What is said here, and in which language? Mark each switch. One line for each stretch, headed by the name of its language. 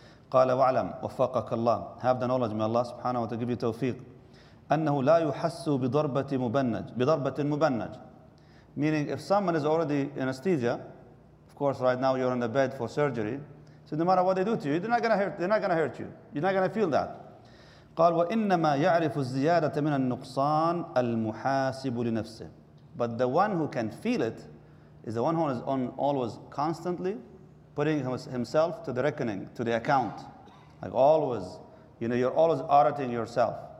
Arabic: قَالَ وَعْلَمْ وَفَقَكَ اللَّهُ
English: Have the knowledge, may Allah subhanahu wa ta'ala give you tawfiq.
Arabic: أَنَّهُ لَا يُحَسُّ بِضَرْبَةٍ مُبَنَّج
English: Meaning, if someone is already anesthesia, of course, right now you're in the bed for surgery, so no matter what they do to you, they're not gonna hurt you. You're not gonna feel that.
Arabic: قال وإنما يعرف الزيادة من النقصان المحاسب لنفسه.
English: But the one who can feel it is the one who is on always constantly putting himself to the reckoning, to the account. Like always, you know, you're always auditing yourself.